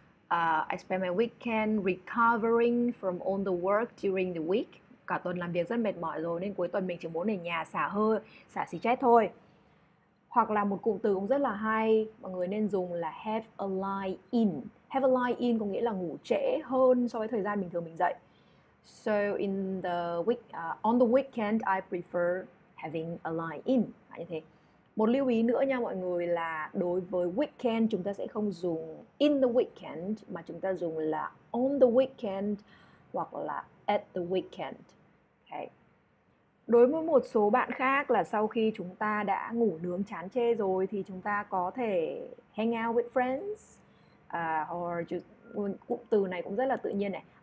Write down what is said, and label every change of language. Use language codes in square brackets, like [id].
[en] I spend my weekend recovering from all the work during the week. [vi] Cả tuần làm việc rất mệt mỏi rồi nên cuối tuần mình chỉ muốn ở nhà xả hơi, xả stress thôi. Hoặc là một cụm từ cũng rất là hay, mọi người nên dùng là [en] have a lie in. Have a lie in [vi] có nghĩa là ngủ trễ hơn so với thời gian bình thường mình dậy. [en] So in the week, on the weekend I prefer having a lie in. [vi] À, như thế. Một lưu ý nữa nha mọi người là đối với weekend chúng ta sẽ không dùng [en] in the weekend [vi] mà chúng ta dùng là [en] on the weekend [vi] hoặc là [en] at the weekend. [vi] Okay. Đối với một số bạn khác là sau khi chúng ta đã ngủ nướng chán chê rồi thì chúng ta có thể [en] hang out with friends or [vi] cụm từ này cũng rất là tự nhiên này.